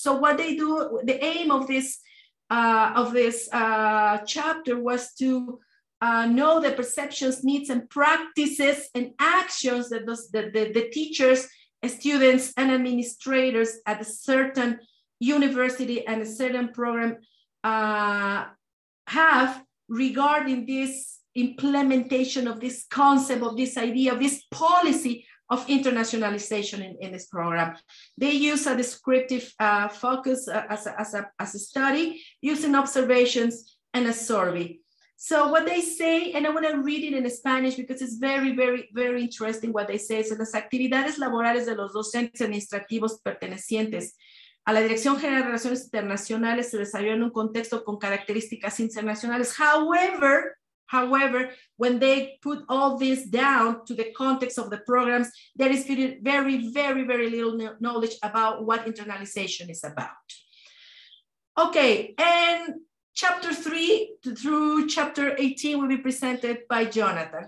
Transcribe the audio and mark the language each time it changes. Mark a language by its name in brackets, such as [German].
[English] So what they do, the aim of this chapter was to know the perceptions, needs, and practices and actions that the teachers, students, and administrators at a certain university and a certain program have regarding this implementation of this concept, of this idea, of this policy of internationalization in this program. They use a descriptive focus as a study, using observations and a survey. So what they say, and I want to read it in Spanish because it's very, very, very interesting what they say. [Spanish] So las actividades laborales de los docentes administrativos pertenecientes a la Dirección General de Relaciones Internacionales se desarrolló en un contexto con características internacionales. [English] However, when they put all this down to the context of the programs, there is very, very, very little knowledge about what internalization is about. Okay, and chapter 3 through chapter 18 will be presented by Jonathan.